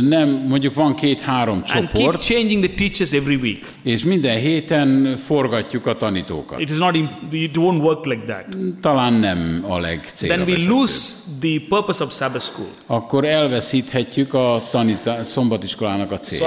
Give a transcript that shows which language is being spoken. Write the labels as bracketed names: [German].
[Hungarian] Nem, mondjuk van 2-3 csoport. [English] And keep changing the teachers every week. [Hungarian] És minden héten forgatjuk a tanítókat. [English] It is not. It won't work like that. [Hungarian] Talán nem a legcélra. [English] Then we lose the purpose of Sabbath school. [Hungarian] Akkor elveszíthetjük a szombatiskolának a célját.